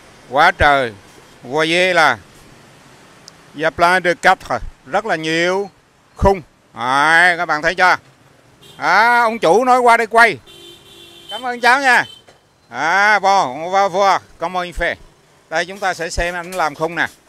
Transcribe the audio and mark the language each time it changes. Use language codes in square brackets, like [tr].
[vi] Quá trời, [fr] voyez là, il y a plein de quatre, [vi] rất là nhiều khung, các bạn thấy chưa? Ông chủ nói qua đây quay, cảm ơn cháu nha. [fr] Bon, on va voir, comment il fait. [vi] Đây chúng ta sẽ xem anh làm khung nè.